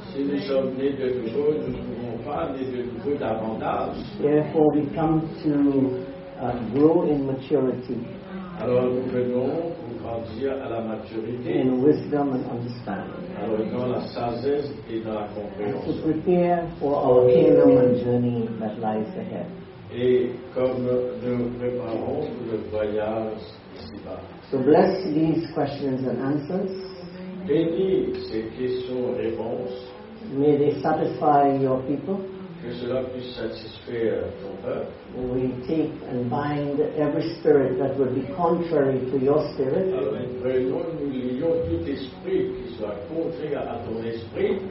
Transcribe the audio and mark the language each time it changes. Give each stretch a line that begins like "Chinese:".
French: Si nous sommes nés de nouveau, nous ne pouvons pas nés de nouveau davantage.
English: Therefore, we come to grow in maturity.
French: Alors nous venons pour grandir à la maturité.
English: In wisdom and understanding.
French: Alors dans la sagesse et dans la compréhension.
English: To prepare for our kingdom and journey that lies ahead.
French: Et comme nous préparons pour le voyage ici-bas.
English: So bless these questions and answers.
French: Bénis ces questions et réponses.
English: May they satisfy your people.
French: Que cela puisse satisfaire ton peuple.
English: We take and bind every spirit that would be contrary to your spirit.
French: Alors, nous lions tout esprit qui soit contraire à ton esprit.